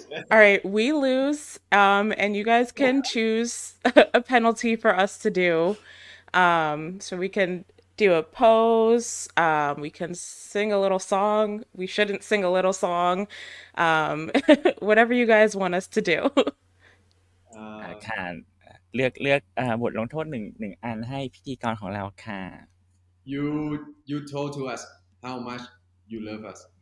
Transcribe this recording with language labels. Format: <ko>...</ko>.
<en>All right, we lose, and you guys can choose a penalty for us to do. So we can do a pose, we can sing a little song, we shouldn't sing a little song, whatever you guys want us to do.</en> <th>ค่ะเลือกบทลงโทษหนึ่งอันให้พิธีกรของเราค่ะ</th> <en>You told to us how much you love us.</en>